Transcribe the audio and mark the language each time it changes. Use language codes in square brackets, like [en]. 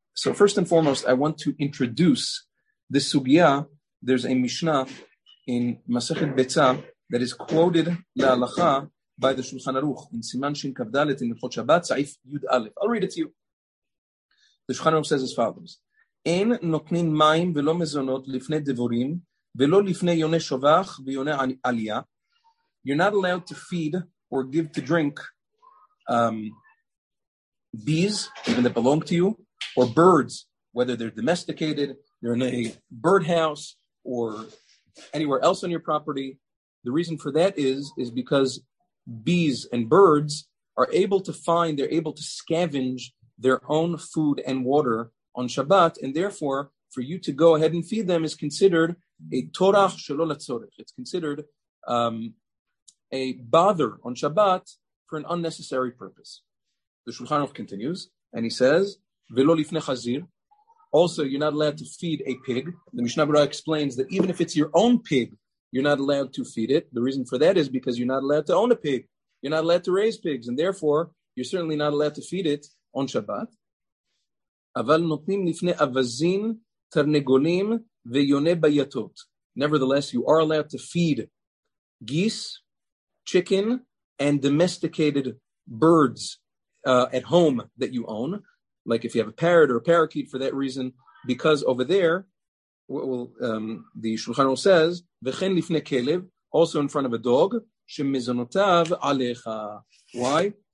[en] So first and foremost, I want to introduce this sugya. There's a mishnah in Masechet Betzah that is quoted la'alacha by the Shulchan Aruch in Siman Shin Kav Dalet in Hilchot Shabbat, Sa'if Yud Aleph. I'll read it to you. The Shulchan Aruch says as follows. [he] אין נותנים מים ולא מזונות לפני דבורים ולא לפני יונה שובח ויונה עלייה. [en] You're not allowed to feed or give to drink bees, even that belong to you, or birds, whether they're domesticated, they're in a birdhouse, or anywhere else on your property. The reason for that is because bees and birds are able to find, they're able to scavenge their own food and water on Shabbat, and therefore, for you to go ahead and feed them is considered a torach shelo latzorech. It's considered a bother on Shabbat for an unnecessary purpose. The Shulchan Aruch continues, and he says, [he] "Velo lifnei chazir." [en] Also, you're not allowed to feed a pig. The Mishnah Berurah explains that even if it's your own pig, you're not allowed to feed it. The reason for that is because you're not allowed to own a pig. You're not allowed to raise pigs, and therefore, you're certainly not allowed to feed it on Shabbat. [he] אבל נותנים לפני אווזים, תרנגולים ויונה ביתות. [en] Nevertheless, you are allowed to feed geese, chicken, and domesticated birds at home that you own. Like if you have a parrot or a parakeet for that reason, because over there, the Shulchan Aruch says, [he] וכן לפני כלב, [en] also in front of a dog, [he] שמזונותיו עליך. [en] Why?